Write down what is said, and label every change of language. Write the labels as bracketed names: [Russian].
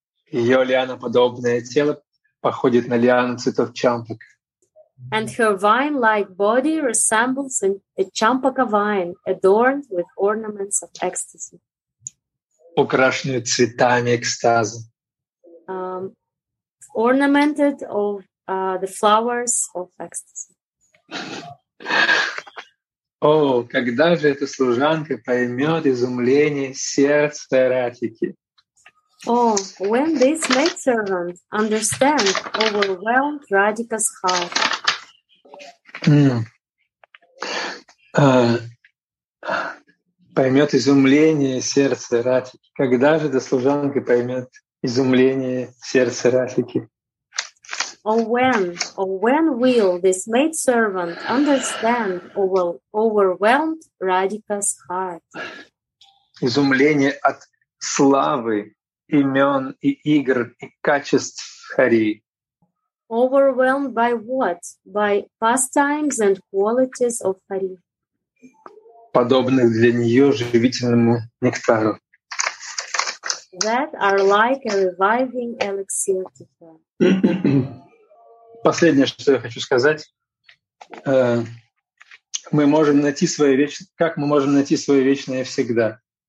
[Russian] Ее лианоподобное тело походит на лиану цветов чампак. [English] And her vine-like body resembles a champaka vine adorned with ornaments of ecstasy. [Russian] Украшенную цветами экстаза. [English] Ornamented of the flowers of ecstasy. [Russian] О, когда же эта служанка поймет изумление сердца Радхики? [English] Oh, when this maidservant understand overwhelmed Radhika's heart. [Russian] Поймет изумление сердца Радхики. Когда же эта служанка поймет изумление сердца Радхики? [English] Or when will this maidservant understand overwhelmed Radhika's heart? [Russian] Изумление от славы, имен и игр и качеств Хари. [English] Overwhelmed by what? By pastimes and qualities of Хари. [Russian] Подобных для нее живительному нектару. [English] That are like a reviving elixir to her. [Russian] Последнее, что я хочу сказать, мы можем найти свое вечное, как мы можем найти свое вечное всегда.